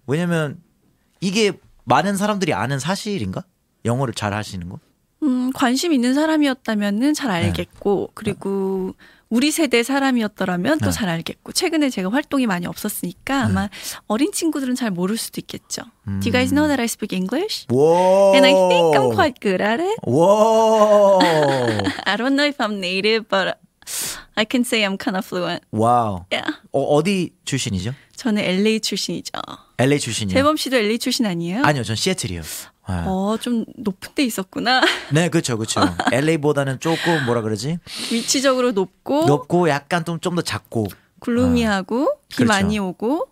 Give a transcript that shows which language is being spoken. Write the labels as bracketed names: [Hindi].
[Korean] 왜냐면 이게 많은 사람들이 아는 사실인가? 영어를 잘 하시는 거? 관심 있는 사람이었다면은 잘 알겠고 네. 그리고 우리 세대 사람이었더라면 또 잘 네. 알겠고 최근에 제가 활동이 많이 없었으니까 아마 어린 친구들은 잘 모를 수도 있겠죠. [English] Do you guys know that I speak English? Whoa. And I think I'm quite good at it. Whoa. I don't know if I'm native, but I can say I'm kind of fluent. Wow. Yeah. [Korean] 어디 출신이죠? 저는 LA 출신이죠. LA 출신이요? 재범 씨도 LA 출신 아니에요? 아니요, 전 시애틀이요. 네. 좀 높은 데 있었구나. 네, 그렇죠. LA보다는 조금 뭐라 그러지? 위치적으로 높고 약간 좀 더 작고 글루미하고 비 그렇죠. 많이 오고